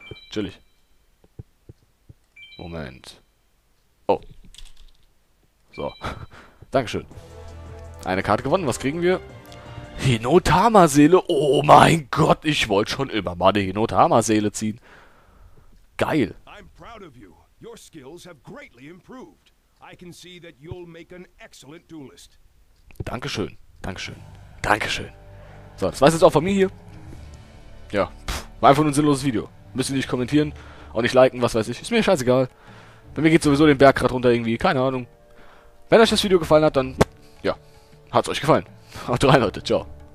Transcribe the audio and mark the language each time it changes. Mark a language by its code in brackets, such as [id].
[de] Chillig. Moment. Oh. So. Dankeschön. Eine Karte gewonnen. Was kriegen wir? Hinotama-Seele. Oh mein Gott. Ich wollte schon immer mal die Hinotama-Seele ziehen. Geil. [en] I'm proud of you. Your skills have greatly improved. I can see that you'll make an excellent duelist. [de] Dankeschön. Dankeschön. Dankeschön. So, das war's jetzt auch von mir hier. Ja, war einfach nur ein sinnloses Video. Müsst ihr nicht kommentieren, auch nicht liken, was weiß ich. Ist mir scheißegal. Bei mir geht sowieso den Berg gerade runter irgendwie, keine Ahnung. Wenn euch das Video gefallen hat, dann, ja, hat's euch gefallen. Haut rein, Leute, ciao.